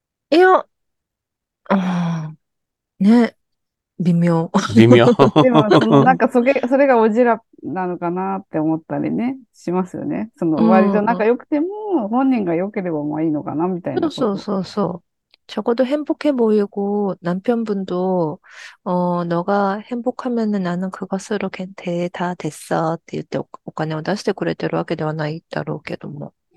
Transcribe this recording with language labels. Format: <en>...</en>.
<ja>いや、ね、微妙。微妙。でも、その、なんか、それがオジラなのかなって思ったりね、しますよね。その、割と仲良くても、本人が良ければまあいいのかな、みたいなこと。</ja> <ko>적어도 행복해 보이고, 남편분도, 너가 행복하면은 나는 그것으로 다 됐어.</ko> <ja>って言ってお金を出してくれてるわけではないだろうけども。</ja>